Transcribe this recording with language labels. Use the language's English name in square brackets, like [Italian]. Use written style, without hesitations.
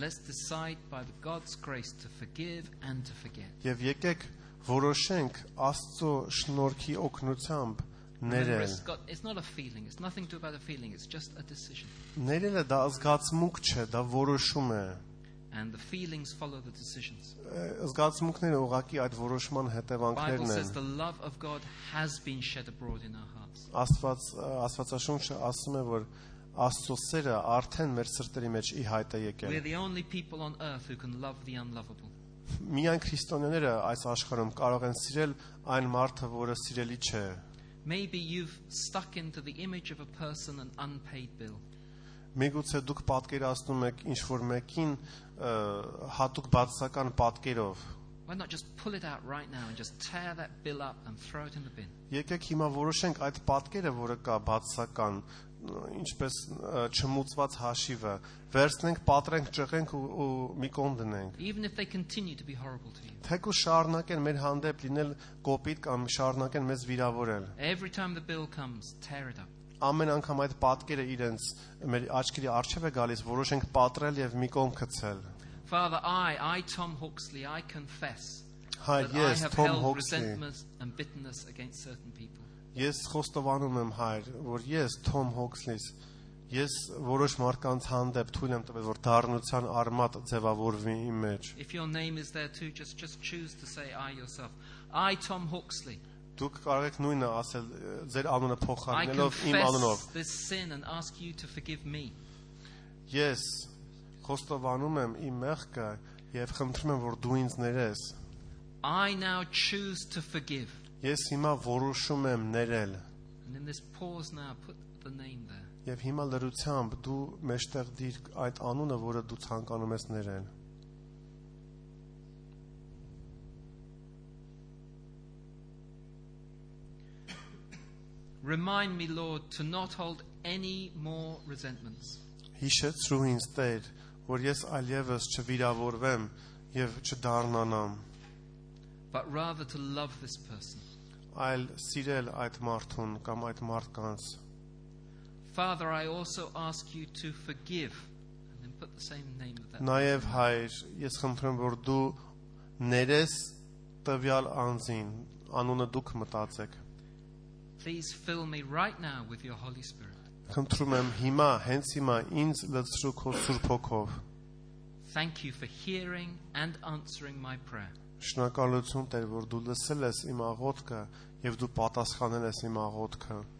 [English] Let's decide by God's grace to forgive and to forget. [Armenian] Եվ եկեք որոշենք Աստծո շնորհքի օգնությամբ ներել։ [English] It's not a feeling, it's nothing to do about a feeling, it's just a decision. [Armenian] Ներելը դա զգացմունք չէ, դա որոշում է։ [English] And the feelings follow the decisions. [Armenian] Զգացմունքները ուղղակի այդ որոշման հետևանքներն են։ [English] Bible says the love of God has been shed abroad in our hearts. [Armenian] Աստվածաշունչը ասում է, որ Աստծո սերը արդեն մեր սրտերի մեջ ի հայտ է եկել։ [English] We are the only people on earth who can love the unlovable. [Armenian] Միայն քրիստոնյաները այս աշխարհում կարող են սիրել այն մարդը, որը սիրելի չէ։ [English] Maybe you've stuck into the image of a person an unpaid bill. [Armenian] Միգուցե դուք պատկերացնում եք ինչ-որ մեկին հատուկ բացական պատկերով։ [English] Why not just pull it out right now and just tear that bill up and throw it in the bin? [Armenian] Եկեք հիմա որոշենք այդ պատկերը, որը կա բացական, ինչպես չմուծված հաշիվը, վերցնենք, պատրենք, ճղենք ու մի կողմ դնենք։ [English] Even if they continue to be horrible to you. [Armenian] Թեկուզ շարունակեն մեր հանդեպ լինել կոպիտ կամ շարունակեն մեզ վիրավորել։ [English] Every time the bill comes, tear it up. [Armenian] Ամեն անգամ այդ պատկերը իրենց մեր աչքերի առջև է գալիս, որոշենք պատրել եւ մի կողմ գցել։ [English] Father, I Tom Hawksley, I confess. [Armenian] Հայ, ես Թոմ Հոքսլի։ Ես խոստովանում եմ, հայր, որ ես Թոմ Հոքսլիս, ես որոշ մարդկանց հանդեպ թույլ եմ տվել, որ դառնության արմատ ձևավորվի իմ մեջ։ [English] If your name is there too, just choose to say I yourself. I Tom Hawksley. [Armenian] Դուք կարող եք նույնը ասել ձեր անունը փոխանցելով իմ անունով։ [English] I confess this sin and ask you to forgive me. [Armenian] Ես խոստովանում եմ իմ մեղքը եւ խնդրում եմ, որ դու ինձ ներես։ [English] I now choose to forgive. [Armenian] Ես հիմա որոշում եմ ներել։ [English] And in this pause now put the name there. [Armenian] Եվ հիմա լրությամբ դու մեջտեղ դիր այդ անունը, որը դու ցանկանում ես ներել։ [English] Remind me, Lord, to not hold any more resentments. [Armenian] Հիշեցրու ինձ, Տեր, որ ես այլևս չվիրավորվեմ եւ չդառնանամ։ [English] But rather to love this person. I'll [Armenian] սիրել այդ մարդուն կամ այդ մարդկանց. [English] Father, I also ask you to forgive and then put the same name of that. [Armenian] Նաև հայր, ես խնդրեմ, որ դու ներես տվյալ անձին, անունը դուք մտածեք։ [English] Please fill me right now with your Holy Spirit. [Armenian] Խնդրում եմ հիմա, հենց հիմա ինձ լցրու քո Սուրբ Հոգով։ [English] Thank you for hearing and answering my prayer. [Armenian] Շնորհակալություն Տեր, որ դու լսել ես իմ աղոթքը եւ դու պատասխանել ես իմ աղոթքը։